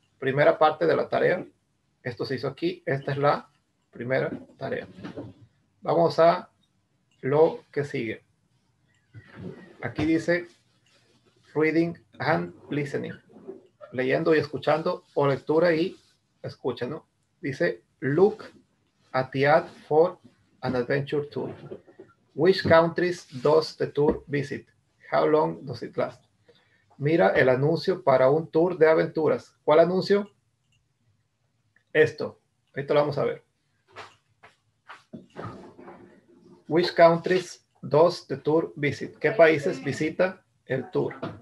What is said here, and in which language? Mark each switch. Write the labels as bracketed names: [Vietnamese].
[Spanish] Primera parte de la tarea. Esto se hizo aquí. Esta es la primera tarea. Vamos a lo que sigue. Aquí dice [English] reading and listening. [Spanish] Leyendo y escuchando, o lectura y escucha, ¿no? Dice [English] look at the ad for an adventure tour. Which countries does the tour visit? How long does it last? [Spanish] Mira el anuncio para un tour de aventuras. ¿Cuál anuncio? Esto. Esto lo vamos a ver. [English] Which countries does the tour visit? [Spanish] ¿Qué países visita el tour?